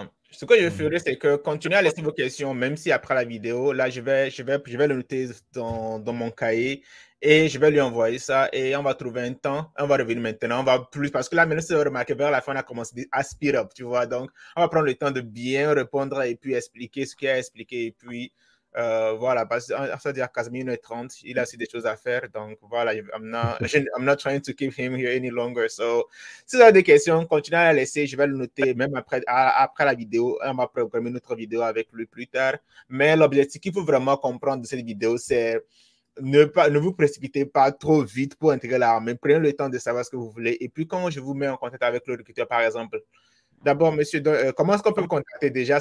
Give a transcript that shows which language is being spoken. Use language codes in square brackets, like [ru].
[fr] Ce que je ferai, c'est que continuez à laisser vos questions, même si après la vidéo, là, je vais le noter dans mon cahier et je vais lui envoyer ça et on va trouver un temps. On va revenir maintenant. On va plus, parce que là, maintenant, c'est remarqué, vers la fin, on a commencé à [en] speed up, [fr] tu vois. Donc, on va prendre le temps de bien répondre et puis expliquer ce qu'il y a à expliquer. Et puis, voilà, parce qu'on va dire qu'à 1h30, il a aussi des choses à faire. Donc, voilà, [en] I'm not trying to keep him here any longer. [fr] So, si vous avez des questions, continuez à les laisser. Je vais le noter même après la vidéo. On va programmer une autre vidéo avec lui plus tard. Mais l'objectif qu'il faut vraiment comprendre de cette vidéo, c'est ne vous précipitez pas trop vite pour intégrer l'armée. Prenez le temps de savoir ce que vous voulez. Et puis, quand je vous mets en contact avec le recruteur, par exemple, d'abord, monsieur, comment est-ce qu'on peut vous contacter déjà?